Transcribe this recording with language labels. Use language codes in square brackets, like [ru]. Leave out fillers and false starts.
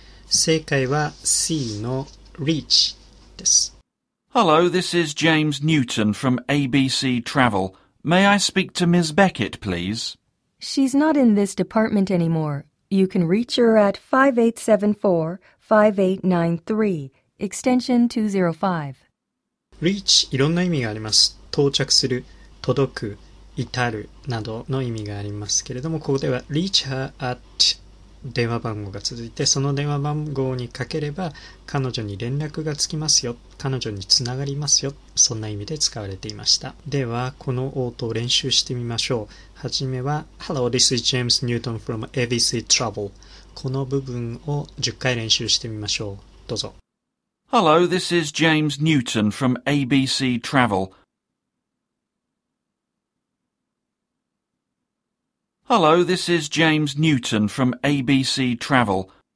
[ja] 正解は C の reach です。 [en] Hello, this is James Newton from ABC Travel. May I speak to Ms. Beckett, please? She's not in this department anymore. You can reach her at 5874-5893, extension 205. [ja] Reach, いろんな意味があります。到着する、届く、至るなどの意味がありますけれども、ここでは [en] reach her at [ja] 電話番号が続いて、その電話番号にかければ彼女に連絡がつきますよ、彼女につながりますよ、そんな意味で使われていました。ではこの応答を練習してみましょう。はじめは [en] Hello, this is James Newton from ABC Trouble。 [ja] この部分を10回練習してみましょう。どうぞ。 [en] Hello, this is James Newton from ABC TravelHello, this is James Newton from ABC Travel.